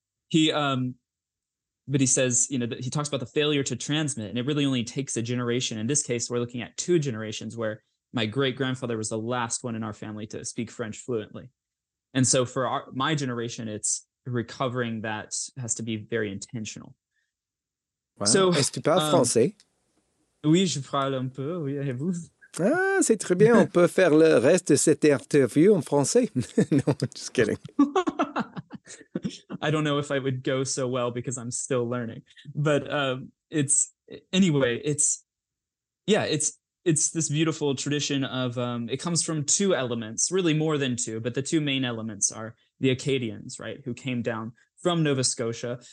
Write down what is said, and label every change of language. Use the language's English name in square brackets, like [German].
[English] So he says, you know, that he talks about the failure to transmit, and it really only takes a generation. In this case, we're looking at two generations, where my great-grandfather was the last one in our family to speak French fluently. And so for my generation, it's recovering that has to be very intentional. Wow. So, [French] est-ce que tu parles français? Oui, je parle un peu, oui, et vous? Ah, c'est très bien. On peut faire le reste de cette interview en français. [English] No, just kidding. I don't know if I would go so well because I'm still learning. But it's this beautiful tradition of, it comes from two elements, really more than two, but the two main elements are the Acadians, right, who came down from Nova Scotia.